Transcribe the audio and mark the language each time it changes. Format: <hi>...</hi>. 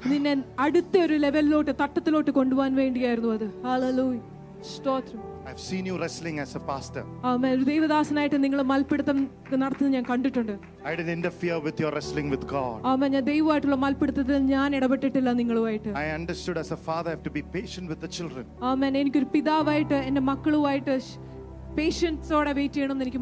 <ml>നിന്നെ അടുത്ത ഒരു ലെവലിലോട്ട് തട്ടത്തിലോട്ട് കൊണ്ടുപോകാൻ വേണ്ടിയായിരുന്നു അത്. ഹല്ലേലൂയ. സ്തോത്രം.</ml> <en>I've seen you wrestling as a pastor.</en> <ml>ആമേൻ. ദൈവദാസനായിട്ട് നിങ്ങൾ മൽപിടുത്തം നടത്തുന്നത് ഞാൻ കണ്ടിട്ടുണ്ട്.</ml> <en>I didn't interfere with your wrestling with God.</en> <ml>ആമേൻ. ഞാൻ ദൈവമായിട്ടുള്ള മൽപിടുത്തത്തിൽ ഞാൻ ഇടപെട്ടിട്ടില്ല നിങ്ങളുമായിട്ട്.</ml> <en>I understood as a father I have to be patient with the children.</en> <ml>ആമേൻ. എനിക്ക് ഒരു പിതാവായിട്ട് എൻ്റെ മക്കളുമായിട്ട്</ml> <en>patience or wait</en> <ml>cheyanam enikku</ml>